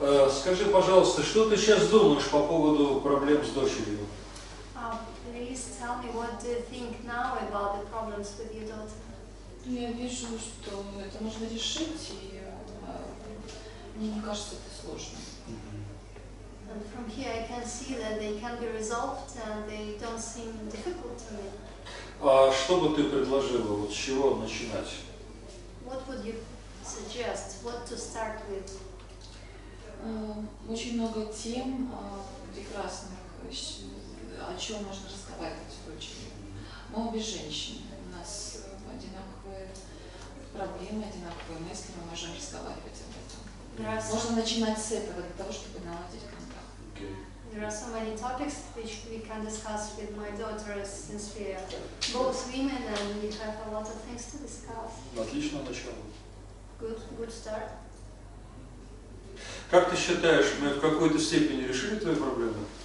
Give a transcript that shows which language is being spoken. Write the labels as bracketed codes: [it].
[ru] Скажи, пожалуйста, что ты сейчас думаешь по поводу проблем с дочерью? [en] Please tell me, what do you think now about the problems with your daughter? [ru] Я вижу, что это нужно решить, и мне не кажется это сложно. [en] And from here I can see that they can be resolved and they don't seem difficult to me. [ru] А что бы ты предложила, вот с чего начинать? [en] What would you suggest? What to start with? [ru] Очень много тем прекрасных, о чем можно разговаривать с дочерью. Мы обе женщины, у нас одинаковые проблемы, одинаковые мысли, мы можем разговаривать об этом. Можно начинать с этого, для того, чтобы наладить контакт. [en] There are so many topics which we can discuss with my daughter, since we are both women and we have a lot of things to discuss. [ru] Отлично начало. [en] Good start. [ru] Как ты считаешь, мы в какой-то степени решили твои проблемы?